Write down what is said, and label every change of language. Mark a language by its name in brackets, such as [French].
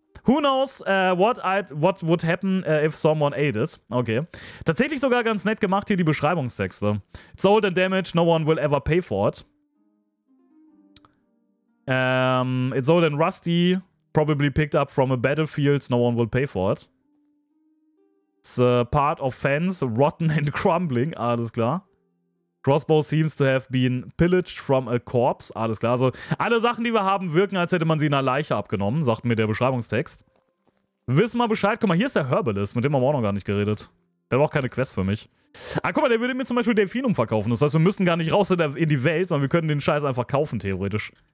[English] Who knows what would happen if someone ate it. Okay. [German] Tatsächlich sogar ganz nett gemacht hier die Beschreibungstexte. [English] It's old and damaged, no one will ever pay for it. It's old and rusty, probably picked up from a battlefield, no one will pay for it. It's a part of fence, rotten and crumbling, [German] alles klar. [English] Crossbow seems to have been pillaged from a corpse. [German] Alles klar, also alle Sachen, die wir haben, wirken, als hätte man sie in einer Leiche abgenommen, sagt mir der Beschreibungstext. Wissen wir Bescheid. Guck mal, hier ist der Herbalist, mit dem haben wir auch noch gar nicht geredet. Der braucht keine Quest für mich. Ah, guck mal, der würde mir zum Beispiel Delfinum verkaufen. Das heißt, wir müssen gar nicht raus in die Welt, sondern wir können den Scheiß einfach kaufen, theoretisch.